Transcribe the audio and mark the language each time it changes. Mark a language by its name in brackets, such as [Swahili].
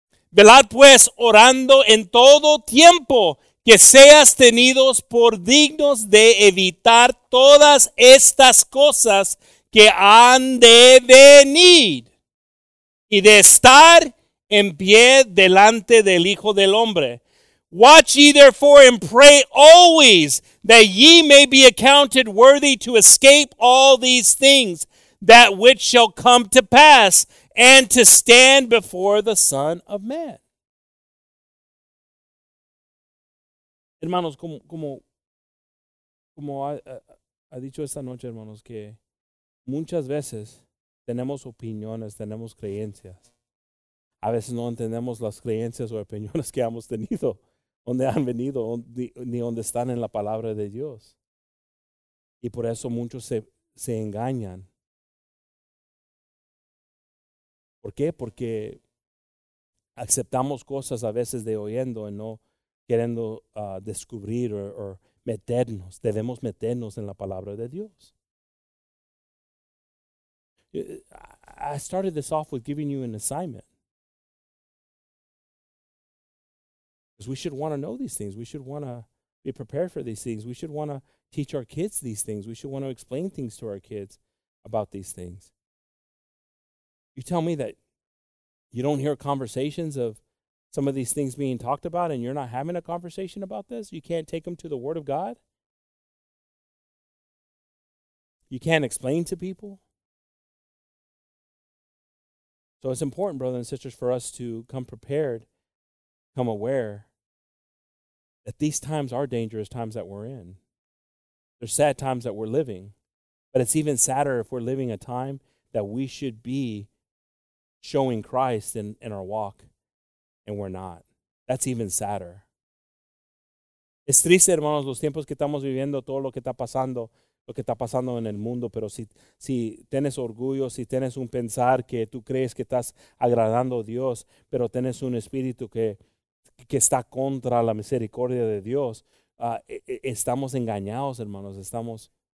[Spanish] Velad pues, orando en todo tiempo, que seas tenidos por dignos de evitar todas estas cosas que han de venir y de estar en pie delante del Hijo del Hombre. [English] Watch ye therefore and pray always that ye may be accounted worthy to escape all these things that which shall come to pass, and to stand before the Son of Man. [Spanish] Hermanos, como ha dicho esta noche, hermanos, que muchas veces tenemos opiniones, tenemos creencias. A veces no entendemos las creencias o opiniones que hemos tenido, donde han venido, ni donde están en la palabra de Dios. Y por eso muchos se engañan. ¿Por qué? Porque aceptamos cosas a veces de oyendo y no queriendo descubrir o meternos. Debemos meternos en la palabra de Dios. [English] I started this off with giving you an assignment. Because we should want to know these things. We should want to be prepared for these things. We should want to teach our kids these things. We should want to explain things to our kids about these things. You tell me that you don't hear conversations of some of these things being talked about and you're not having a conversation about this? You can't take them to the Word of God? You can't explain to people? So it's important, brothers and sisters, for us to come prepared, come aware that these times are dangerous times that we're in. They're sad times that we're living. But it's even sadder if we're living a time that we should be showing Christ in our walk, and we're not. That's even sadder. [Spanish] Es triste, hermanos, los tiempos que estamos viviendo, todo lo que está pasando en el mundo, pero si tienes orgullo, si tienes un pensar que tú crees que estás agradando a Dios, pero tienes un espíritu que está contra la misericordia de Dios, estamos engañados, hermanos, estamos